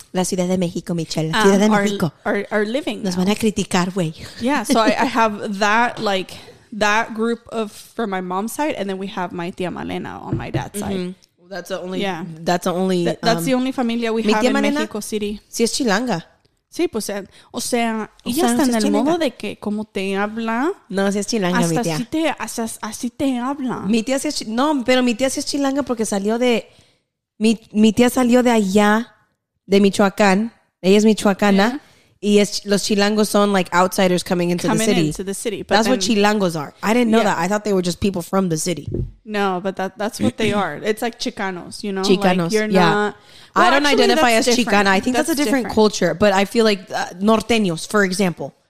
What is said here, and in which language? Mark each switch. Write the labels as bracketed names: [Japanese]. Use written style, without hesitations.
[Spanish] Michelle. Ciudad de México. [English] Are living. [Spanish] Nos van a criticar, güey. [English] Yeah, so I have that, like... That group of from my mom's side, and then we have my tia Malena on my dad's side. That's the only familia we have in Mexico City. [Spanish] Si es chilanga. Sí, pues, o sea, ella está en el modo de que como te habla. No, si es chilanga, mi tía. Así te habla. Mi tía sí es chilanga. No, pero mi tía sí es chilanga porque salió de... Mi tía salió de allá, de Michoacán. Ella es michoacana. Yeah. [English] Yes, [Spanish] los chilangos son [English] like outsiders coming into the city. But that's what chilangos are. I didn't know that. I thought they were just people from the city. No, but that's what they are. It's like Chicanos, you know? Chicanos, like you're not, yeah. Well, I don't identify as different. Chicana. I think that's a different culture. But I feel like norteños, for example.